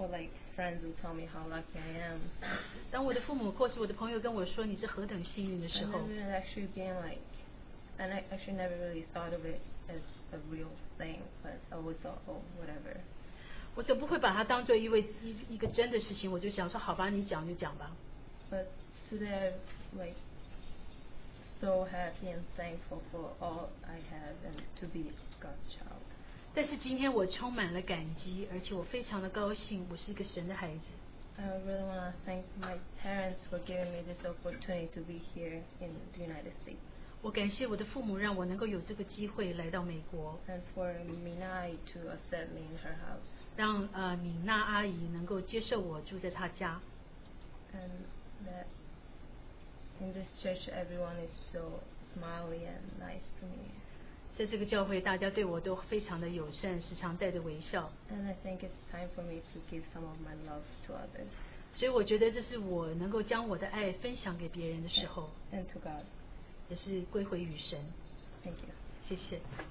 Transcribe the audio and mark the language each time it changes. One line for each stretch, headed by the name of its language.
English: or like friends will tell me how lucky I am.
Chinese: 当我的父母或是我的朋友跟我说你是何等幸运的时候
English: I never actually been like, and I actually never really thought of it as a real thing, but I always thought, oh, whatever.
Chinese: 我就不会把它当作一个真的事情，我就想说好吧，你讲就讲吧。
English: But today, like, so happy and thankful for all I have and to be God's child.
Chinese: 但是今天我充满了感激，而且我非常的高兴，我是一个神的孩子。
English: I really want to thank my parents for giving me this opportunity to be here in the United States.
Chinese: 我感谢我的父母让我能够有这个机会来到美国。
English: And for Minai to accept me in her house.
Chinese: 让米娜阿姨能够接受我住在她家。
English: And that in this church, everyone is so smiley and nice to me.
Chinese: 在这个教会，大家对我都非常的友善，时常带着微笑。
English: And I think it's time for me to give some of my love to others.
Chinese: 所以我觉得这是我能够将我的爱分享给别人的时候。
English: And to God.
Chinese: 也是归回于神。
English: Thank you.
Chinese: 谢谢。